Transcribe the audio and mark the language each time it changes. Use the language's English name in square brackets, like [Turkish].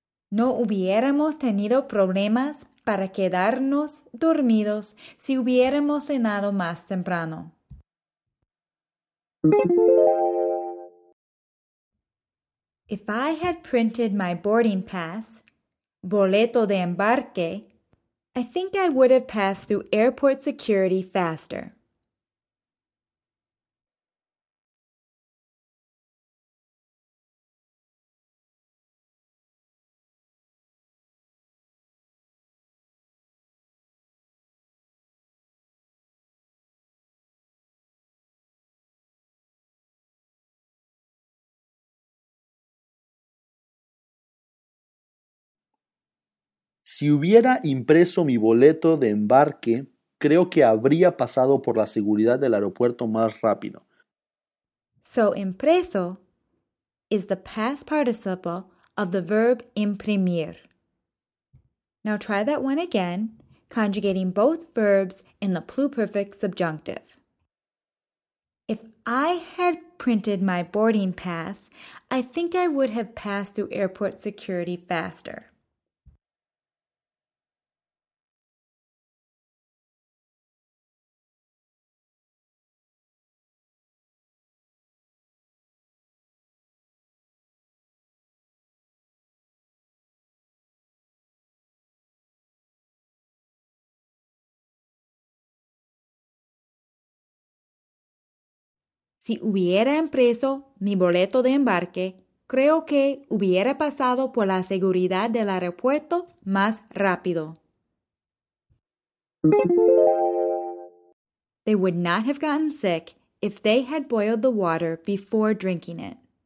[Spanish] No hubiéramos tenido problemas para quedarnos dormidos si hubiéramos cenado más temprano. [English] If I had printed my boarding pass, [Spanish] boleto de embarque, [English] I think I would have passed through airport security faster. [Spanish] Si hubiera impreso mi boleto de embarque, creo que habría pasado por la seguridad del aeropuerto más rápido. [English] So, impreso is the past participle of the verb imprimir. Now try that one again, conjugating both verbs in the pluperfect subjunctive. If I had printed my boarding pass, I think I would have passed through airport security faster. [Spanish] Si hubiera impreso mi boleto de embarque, creo que hubiera pasado por la seguridad del aeropuerto más rápido. [English] They would not have gotten sick if they had boiled the water before drinking it.